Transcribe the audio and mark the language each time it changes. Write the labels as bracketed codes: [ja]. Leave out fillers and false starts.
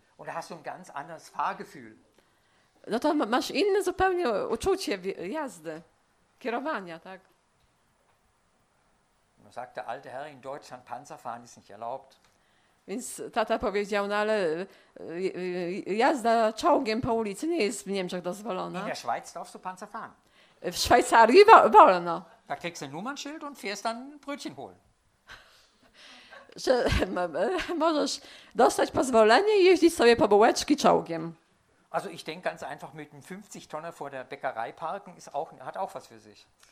[de] Und hast du ein ganz anderes Fahrgefühl? [pl] No to masz inne zupełnie uczucie jazdy, kierowania, tak? [de] No sagt der alte Herr, in Deutschland Panzerfahren ist nicht erlaubt. [pl] Więc tata powiedział, no ale jazda czołgiem po ulicy nie jest w Niemczech dozwolona. [de] In der Schweiz darfst du Panzer fahren. [pl] W Szwajcarii wolno. [de] Da kriegst du ein Nummernschild und fährst dann ein Brötchen holen. [pl] Że możesz dostać pozwolenie i jeździć sobie po bułeczki czołgiem. [de] Also ich denke ganz einfach mit einem 50 Tonner vor der Bäckerei parken hat auch was für sich.